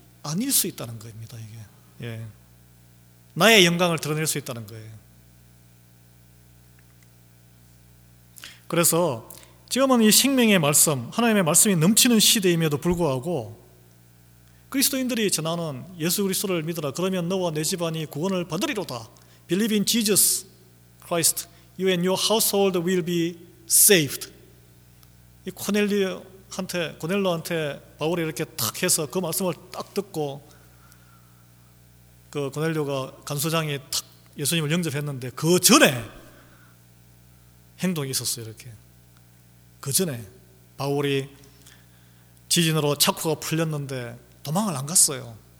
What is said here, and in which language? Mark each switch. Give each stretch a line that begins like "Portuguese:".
Korean: 아닐 수 있다는 겁니다. 이게 예. 나의 영광을 드러낼 수 있다는 거예요. 그래서 지금은 이 생명의 말씀, 하나님의 말씀이 넘치는 시대임에도 불구하고 그리스도인들이 전하는 예수 그리스도를 믿어라 그러면 너와 내 집안이 구원을 받으리로다.
English: Believe in Jesus Christ, you and your household will be saved.
Korean: 이 고넬로한테 바울이 이렇게 탁 해서 그 말씀을 딱 듣고 그 고넬료가 간소장이 탁 예수님을 영접했는데 그 전에 행동이 있었어요. 이렇게 그 전에 바울이 지진으로 차코가 풀렸는데 도망을 안 갔어요.